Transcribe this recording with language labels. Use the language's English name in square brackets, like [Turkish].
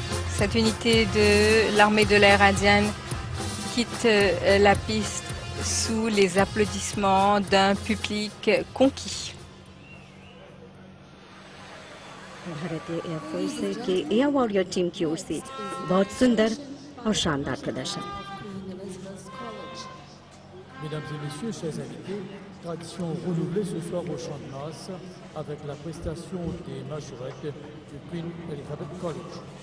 [French] Cette unité de l'armée de l'air indienne quitte la piste sous les applaudissements d'un public conquis. [Hindi] भारतीय air force के air warrior team की ओर से बहुत सुंदर और शानदार प्रदर्शन. [French] Mesdames et messieurs, chers invités, tradition renouvelée ce soir au champ de Mars avec la prestation des majorettes du Queen Elizabeth College.